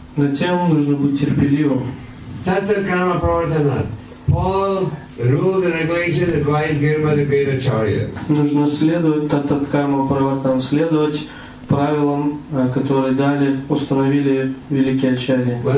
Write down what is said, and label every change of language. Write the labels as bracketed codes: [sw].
[ru] Затем нужно быть терпеливым. [sa] Satyam karma pravartana. [en] Follow the rules and regulations advised given by the great acharya. [ru] Нужно следовать [sa] Satyam karma pravartana, [ru] следовать правилам, которые дали, установили великие ачарьи.